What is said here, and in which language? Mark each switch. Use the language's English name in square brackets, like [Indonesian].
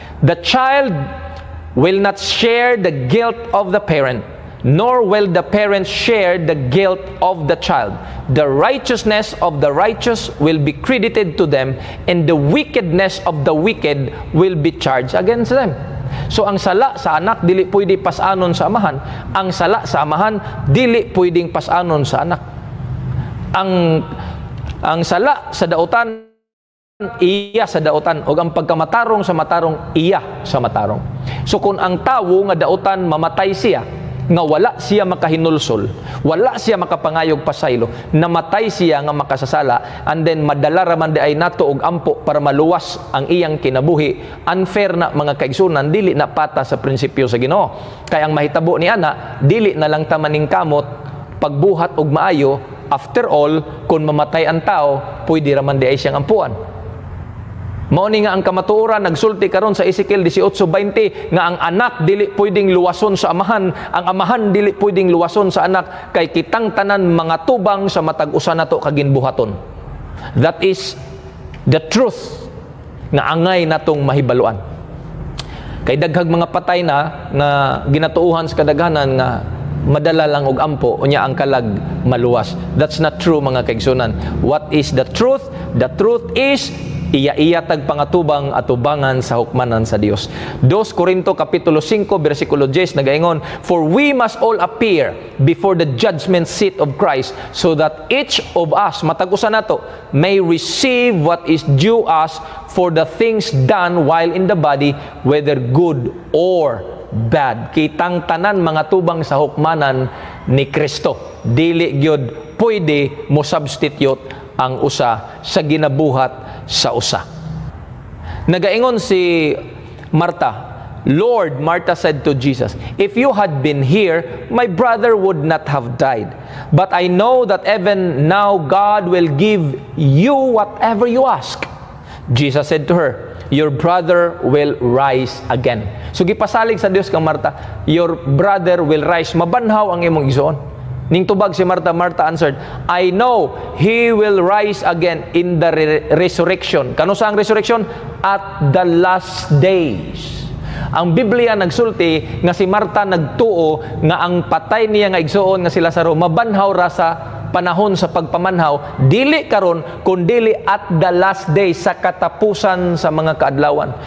[English] The child will not share the guilt of the parent, nor will the parent share the guilt of the child. The righteousness of the righteous will be credited to them, and the wickedness of the wicked will be charged against them. [Cebuano] So ang sala sa anak, dili pwede pasanon sa amahan. Ang sala sa amahan, dili pwedeng pasanon sa anak. Ang sala sa daotan, iya sa daotan. O ang pagkamatarong sa matarong, iya sa matarong. So kung ang tawo nga daotan mamatay siya, nga wala siya makahinulsol, wala siya makapangayog pasaylo, namatay siya nga makasasala, [English] and then [Cebuano] madala raman di ay nato og ampo para maluwas ang iyang kinabuhi. Unfair na, mga kaigsoonan, dili na pata sa prinsipyo sa Ginoo. Kaya ang mahitabo ni ana, dili na lang tamaning kamot, pagbuhat og maayo. [English] After all, [Cebuano] kung mamatay ang tao, pwede raman di ay siyang ampuan. Mauni nga ang kamatuoran, nagsulti karon sa Ezekiel 18:20 nga ang anak dili pwedeng luwason sa amahan, ang amahan dili pwedeng luwason sa anak, kay kitang tanan mga tubang sa matag-usa nato kaginbuhaton. [English] That is the truth [Cebuano] nga angay natong mahibaluan. Kay daghag mga patay na nga ginatuuhan sa kadaghanan nga madala lang og ampo, unya ang kalag maluwas. [English] That's not true, [Cebuano] mga kaigsoonan. [English] What is the truth? The truth is [Cebuano] iya-iya tagpangatubang at ubangan sa hukmanan sa Dios. 2 Corinto kapitulo 5 versikulo 10 nagaingon, [English] for we must all appear before the judgment seat of Christ, so that each of us, [Cebuano] matag-usa nato, [English] may receive what is due us for the things done while in the body, whether good or bad. [Cebuano] Kitang tanan mga tubang sa hukmanan ni Kristo. Dili gyud pwede mo substitute ang usa sa ginabuhat sa usa. Nagaingon si Martha, [English] Lord, Martha said to Jesus, if you had been here, my brother would not have died. But I know that even now God will give you whatever you ask. Jesus said to her, your brother will rise again. [Cebuano] So gipasalig sa Dios kang Martha, [English] your brother will rise. [Cebuano] Mabanhaw ang imong igsoon. Ning tubag si Martha, [English] Martha answered, I know he will rise again in the resurrection. [Cebuano] Kano sa ang [English] resurrection? At the last days. [Cebuano] Ang Biblia nagsulti nga si Martha nagtuo nga ang patay niya nga igsoon nga si Lazaro mabanhaw ra sa panahon sa pagpamanhaw, dili karon kundili [English] at the last day [Cebuano] sa katapusan sa mga kaadlawan.